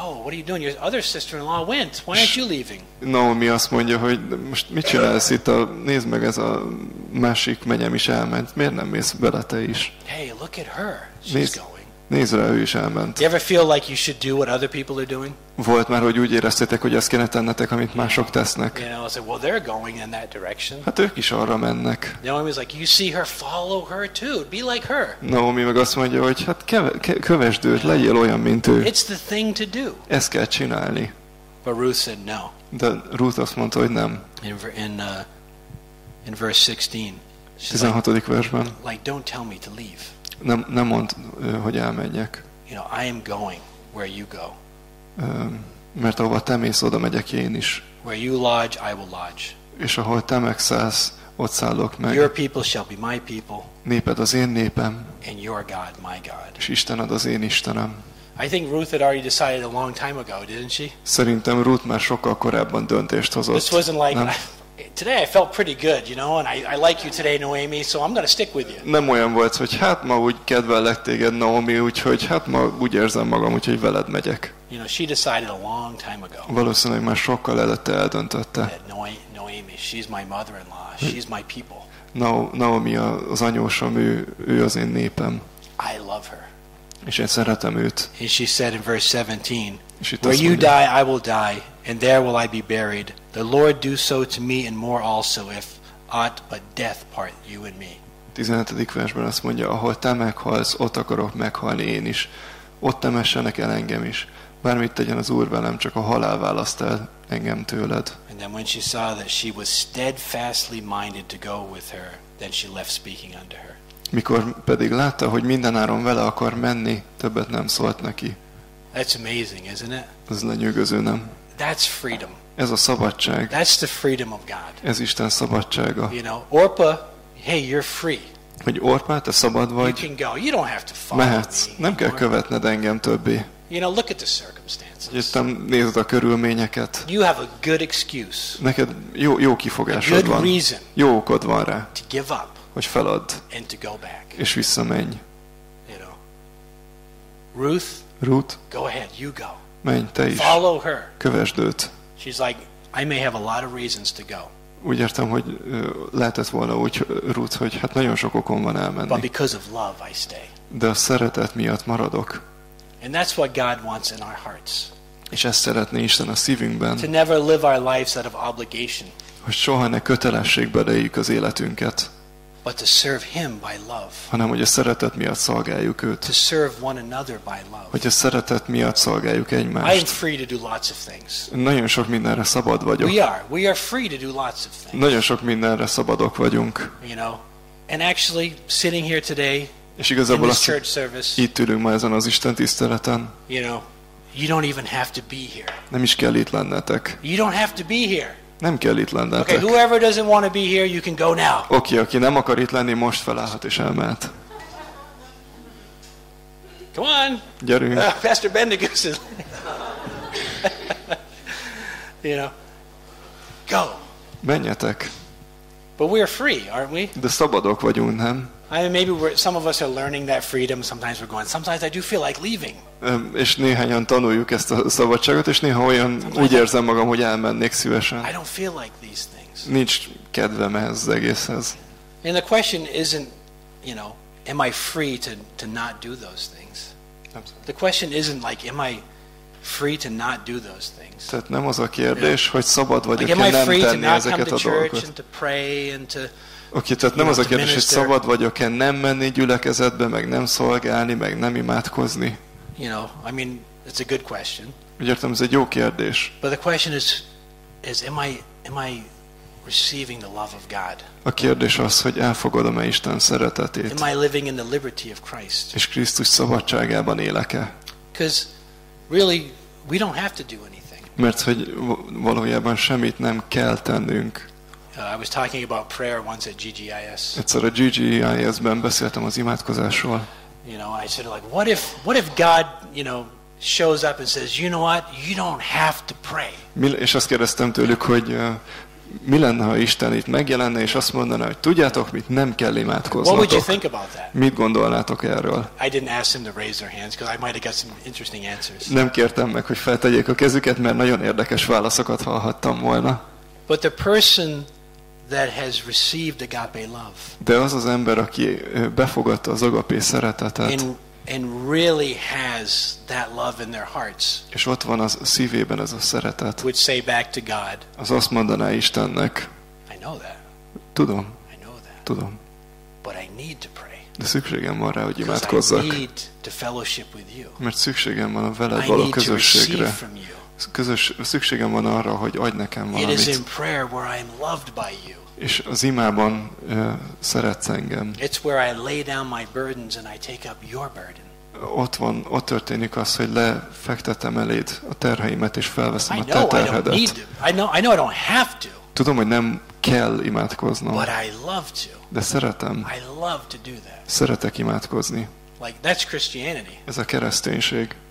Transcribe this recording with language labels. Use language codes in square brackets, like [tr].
[en] What are you doing? Your other sister-in-law went. Why aren't you leaving? [hu] Naomi azt mondja, hogy most mit csinálsz itt? Nézd meg, ez a másik menyem is elment. Miért nem mész bele te is? [en] Hey, look at her. She's going. [hu] Nézd rá, ő is elment. [en] You ever feel like you should do what other people are doing? [hu] Volt már, hogy úgy éreztétek, hogy azt kéne tennetek, amit mások tesznek. [en] You know, I said, well, they're going in that direction. [hu] Hát ők is arra mennek. [en] Naomi was like, you see her, follow her too. Be like her. [hu] Naomi meg azt mondja, hogy hát kövesd őt, legyél olyan, mint ő. [en] It's the thing to do. [hu] Ezt kell csinálni. [en] But Ruth said no. [hu] De Ruth azt mondta, hogy nem. [en] In verse 16. [hu] 16. versben. [en] Like, don't tell me to leave. [hu] Nem mond, hogy elmenjek. [en] You know, I am going where you go. [hu] Mert ahova te mész, oda megyek én is. [en] Where you lodge, I will lodge. [hu] És ahol te megszállsz, ott szállok meg. [en] Your people shall be my people. [hu] Néped az én népem. [en] And your God, my God. [hu] És Istened az én Istenem. [en] I think Ruth had already decided a long time ago, didn't she? [hu] Szerintem Ruth már sokkal korábban döntést hozott. [en] This wasn't like today. I felt pretty good, you know, and I like you today, Naomi. So I'm going to stick with you. [hu] Nem olyan volt, hogy hát ma úgy kedvellek téged, Naomi, úgyhogy hát ma úgy érzem magam, úgyhogy veled megyek. [en] You know, she decided a long time ago. [hu] Valószínűleg már sokkal előtte eldöntötte. [en] Naomi, she's my mother-in-law. She's my people. [hu] Naomi az anyósom, ő az én népem. [en] I love her. [hu] És én szeretem őt. [en] And she said in verse 17, where you die, I will die, and there will I be buried. The Lord do so to me and more also, if aught but death part you and me. [hu] 17. versben azt mondja, ahol te meghalsz, ott akarok meghalni én is. Ott temessenek el engem is. Bármit tegyen az Úr velem, csak a halál választ el engem tőled. [en] And then when she saw that she was steadfastly minded to go with her, then she left speaking unto her. [hu] Mikor pedig látta, hogy mindenáron vele akar menni, többet nem szólt neki. [en] That's amazing, isn't it? [hu] Ez lenyűgöző, nem? [en] That's freedom. [hu] Ez a szabadság. [en] That's the freedom of God. [hu] Ez Isten szabadsága. [en] You know, Orpah hey, you're free. [hu] Hogy Orpah, te szabad vagy. [en] You can go. You don't have to follow [hu] mehetsz. [en] Me. [hu] Nem kell követned engem többé. [en] You know, look at the circumstances. [hu] Jöttem, nézd a körülményeket. [en] You have a good excuse. [hu] Neked jó kifogásod [en] a good [hu] van. [en] Reason [hu] jó okod van rá. [en] To give up. [hu] Hogy feladd. [en] And to go back. [hu] És visszamenj. [en] You know. Ruth. Go ahead, you go. [hu] Menj, te is. [en] Follow her. [hu] Kövesd őt. [en] She's like, I may have a lot of reasons to go. [hu] Úgy értem, hogy lehetett volna úgy, Ruth, hogy hát nagyon sok okom van elmenni. [en] But because of love, I stay. [hu] De a szeretet miatt maradok. [en] And that's what God wants in our hearts. [hu] És ezt szeretné Isten a szívünkben. [en] To never live our lives out of obligation. [hu] Hogy soha ne kötelességbe éljük az életünket. [en] But to serve Him by love. [hu] Hanem hogy a szeretet miatt szolgáljuk őt. [en] To serve one another by love. [hu] Hogy a szeretet miatt szolgáljuk egymást. [en] I am free to do lots of things. [hu] Nagyon sok mindenre szabad vagyok. [en] We are free to do lots of things. [hu] Nagyon sok mindenre szabadok vagyunk. [en] You know, and actually sitting here today. [hu] És igazából [en] in this church service, [hu] itt ülünk ma ezen az Isten tiszteleten. [en] You know, you don't even have to be here. [hu] Nem is kell itt lennetek. [en] You don't have to be here. [hu] Nem kell itt lennetek. [en] Okay, whoever doesn't want to be here, you can go now. [hu] Oké, aki nem akar itt lenni, most felállhat és elmehet. [en] Come on. [hu] Gyerünk. [en] Pastor Bendigo says, you know, go. [hu] Menjetek. [en] But we are free, aren't we? [hu] De szabadok vagyunk, nem? [en] I mean, maybe some of us are learning that freedom. Sometimes we're going. Sometimes I do feel like leaving. [hu] És néhányan tanuljuk ezt a szabadságot, és néha olyan úgy érzem magam, hogy elmennék szívesen. [en] I don't feel like these things. [hu] Nincs kedvem ehhez az egészhez. [en] And the question isn't, you know, am I free to not do those things? The question isn't like, am I free to not do those things? [hu] Tehát nem az a kérdés, hogy szabad vagyok-e nem tenni ezeket a dolgokat. [en] Am I free to not come to church and to pray and to [hu] oké, tehát nem az a kérdés, hogy szabad vagyok-e nem menni gyülekezetbe, meg nem szolgálni, meg nem imádkozni. [en] You know, I mean, it's a good question. [hu] Úgy értem, ez egy jó kérdés. [en] But the question is am I receiving the love of God? [hu] A kérdés az, hogy elfogadom-e Isten szeretetét. [en] Am I living in the liberty of Christ? [hu] És Krisztus szabadságában élek-e? [en] Because really, we don't have to do anything. [hu] Mert hogy valójában semmit nem kell tennünk. [en] I was talking about prayer once at GGIS. [hu] Egyszer a GGIS-ben beszéltem az imádkozásról. [en] You know, I said like, what if God, you know, shows up and says, you know what, you don't have to pray. [hu] És azt kérdeztem tőlük, hogy mi lenne, ha Isten itt megjelenne és azt mondaná, hogy tudjátok mit, nem kell imádkoznotok. [en] What would you think about that? [hu] Mit gondolnátok erről? [en] I didn't ask them to raise their hands because I might have got some interesting answers. [hu] Nem kértem meg, hogy feltegyék a kezüket, mert nagyon érdekes válaszokat hallhattam volna. [en] But the person that has received agape love. [hu] De az az ember, aki befogadta az agapé szeretetet. [en] And really has that love in their hearts. [hu] És ott van az szívében ez a szeretet. [en] Would say back to God. [hu] Az azt mondaná Istennek. [en] I know that. [hu] Tudom. [en] I know that. [hu] Tudom. [en] But I need to pray. [hu] De szükségem van rá, hogy imádkozzak. [en] Because I need to fellowship with you. [hu] Mert szükségem van a veled való közösségre. Szükségem van arra, hogy adj nekem valamit. [en] It is in prayer where I am loved by you. [hu] És az imában szeretsz engem. [en] It's where I lay down my burdens and I take up your burden. [hu] Ott történik az, hogy lefektetem eléd a terheimet és felveszem a te terhedet. [en] I know I don't have to. [hu] Tudom, hogy nem kell imádkoznom. [en] But I love to. [hu] De szeretem. [en] I love to do that. [hu] Szeretek imádkozni. [en] Like that's Christianity. [hu] Ez a kereszténység.